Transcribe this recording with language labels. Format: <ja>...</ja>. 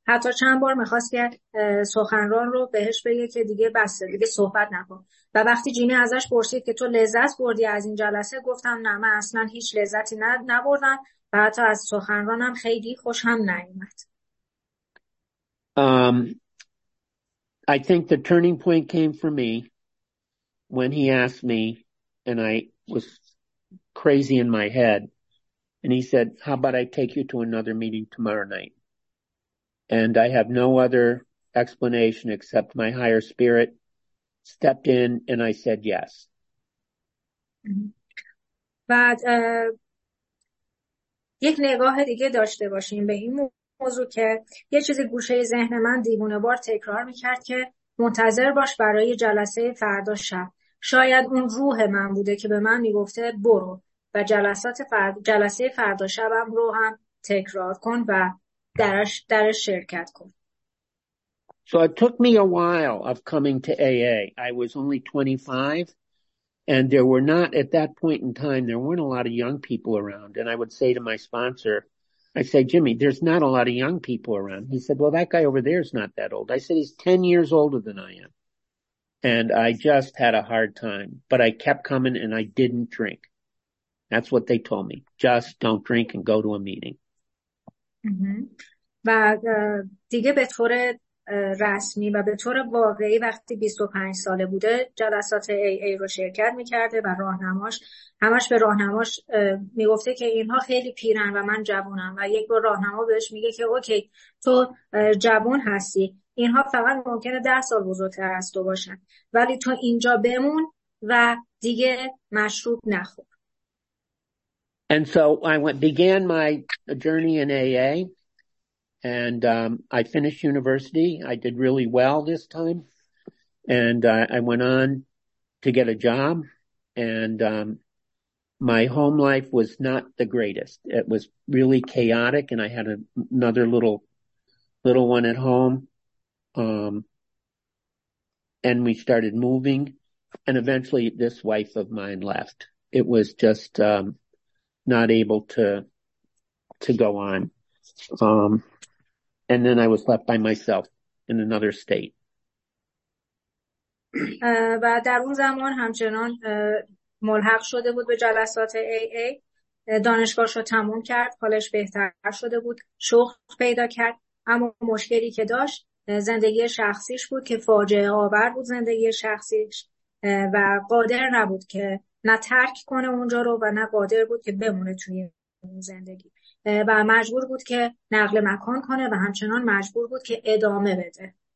<fa>حتی چند بار میخواست که سخنران رو بهش بگه که دیگه بسه، دیگه صحبت نکن. و وقتی جیمی ازش پرسید که تو لذت بردی از این جلسه، گفتم نه، من اصلا هیچ لذتی نبردم و حتی از سخنرانم خیلی خوشم نیومد.</fa> <en>I think the turning point came for me when he asked me, and I was crazy in my head, and he said, how about I take you to another meeting tomorrow night? And I have no other explanation except my higher spirit stepped in, and I said yes.</en> <fa>بعد یک نگاه دیگه داشته باشیم به این موضوع که یه چیزی گوشه ذهن من دیوونه بار تکرار میکرد که منتظر باش برای جلسه فردا شب. شاید اون روح من بوده که به من میگفته برو و جلسه فردا شبم رو هم تکرار کن و درش شرکت کن.</fa> <en>So it took me a while of coming to AA. I was only 25. And there were not, at that point in time, there weren't a lot of young people around. And I would say to my sponsor, I'd say, Jimmy, there's not a lot of young people around. He said, well, that guy over there is not that old. I said, he's 10 years older than I am. And I just had a hard time. But I kept coming and I didn't drink. That's what they told me. Just don't drink and go to a meeting.</en> <fa>و دیگه به طور رسمی و به طور واقعی وقتی 25 ساله بوده جلسات AA رو شرکت میکرده و راهنماش همش به راهنماش میگفته که اینها خیلی پیرن و من جوانم و یک بار راهنما بهش میگه که اوکی تو جوان هستی، اینها فقط ممکنه 10 سال بزرگتر از تو باشن، ولی تو اینجا بمون و دیگه مشروب نخور.</fa> <en>And so I began my journey in AA, and I finished university. I did really well this time, and I went on to get a job, and my home life was not the greatest. It was really chaotic, and I had another little one at home, and we started moving, and eventually this wife of mine left. It was just... not able to go on. And then I was left by myself in another state.</en> <fa>و در اون زمان همچنان ملحق شده بود به جلسات AA. دانشگاهش رو تموم کرد، حالش بهتر شده بود، شغل پیدا کرد، اما مشکلی که داشت زندگی شخصیش بود که فاجعه آور بود زندگی شخصیش، و قادر نبود که نه ترک کنه اونجا رو و نه قادر بود که بمونه توی زندگی و مجبور بود که نقل مکان کنه و همچنان مجبور بود که ادامه بده.</fa>